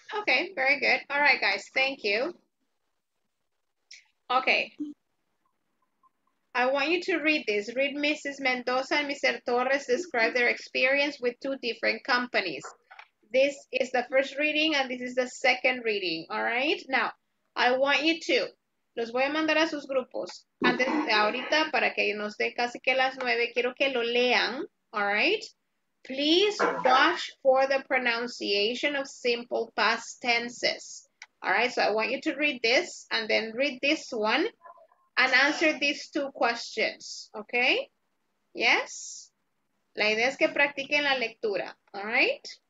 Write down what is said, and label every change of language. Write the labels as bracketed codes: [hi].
[en] Okay, very good. All right, guys, thank you. Okay. I want you to read this. Read Mrs. Mendoza and Mr. Torres describe their experience with two different companies. This is the first reading and this is the second reading. All right, now I want you to. [es] Los voy a mandar a sus grupos. Antes de ahorita, para que nos dé casi que las 9, quiero que lo lean, [en] all right? Please watch for the pronunciation of simple past tenses. All right, so I want you to read this and then read this one and answer these two questions, okay? [es] Yes? La idea es que practiquen la lectura, [en] all right?